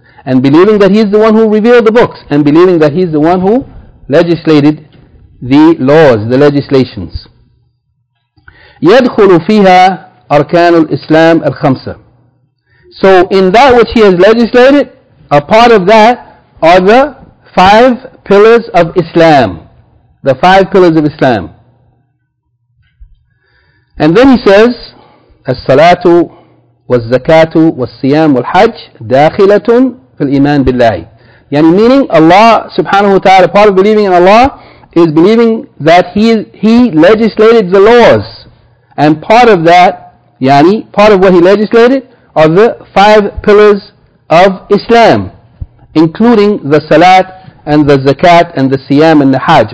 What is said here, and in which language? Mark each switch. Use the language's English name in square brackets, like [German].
[English] And believing that He is the one who revealed the books. And believing that He is the one who legislated the laws, the legislations. [Arabic] يَدْخُلُ فِيهَا أَرْكَانُ الْإِسْلَامِ الْخَمْسَةِ. [English] So in that which He has legislated, a part of that are the five pillars of Islam. The five pillars of Islam. And then He says, [Arabic] الصَّلَاةُ وَالزَّكَاةُ وَالصِّيَامُ وَالْحَجُّ دَاخِلَةٌ الإيمان بالله. [English] يعني meaning Allah subhanahu wa ta'ala, part of believing in Allah is believing that he legislated the laws, and part of that, يعني part of what He legislated are the five pillars of Islam, including the salat and the zakat and the siyam and the hajj.